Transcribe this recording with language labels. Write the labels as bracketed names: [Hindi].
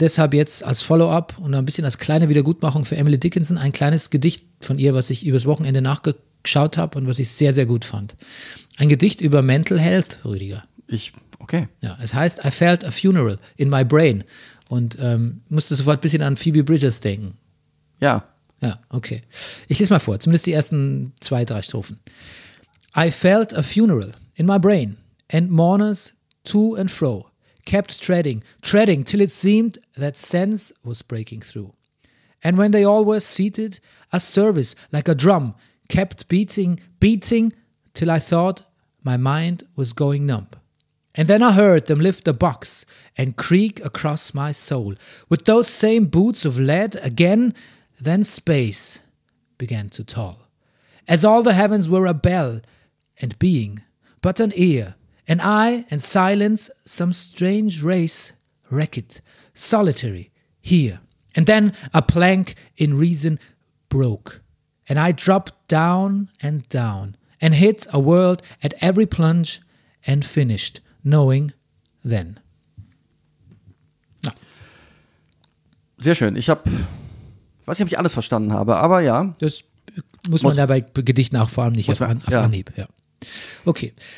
[German] Deshalb jetzt als Follow-up und ein bisschen als kleine Wiedergutmachung für Emily Dickinson ein kleines Gedicht von ihr, was ich übers Wochenende nachgeschaut habe und was ich sehr, sehr gut fand. Ein Gedicht über Mental Health, Rüdiger. Ich, okay. Ja, es heißt I felt a funeral in my brain und musste sofort ein bisschen an Phoebe Bridgers denken. Ja. Ja, okay. Ich lese mal vor, zumindest die ersten 2-3 Strophen. [English] I felt a funeral in my brain, and mourners to and fro kept treading till it seemed that sense was breaking through. And when they all were seated, a service like a drum kept beating till I thought my mind was going numb. And then I heard them lift a box and creak across my soul with those same boots of lead again, then space began to toll. As all the heavens were a bell, and being, but an ear, an eye, and silence, some strange race, wrecked, solitary, here. And then a plank in reason broke, and I dropped down and down, and hit a world at every plunge, and finished, knowing then. [German] Ah. Sehr schön. Ich habe, weiß nicht, ob ich alles verstanden habe, aber ja. Das muss man dabei Gedichten auch vor allem nicht anheben. Ja. Okay.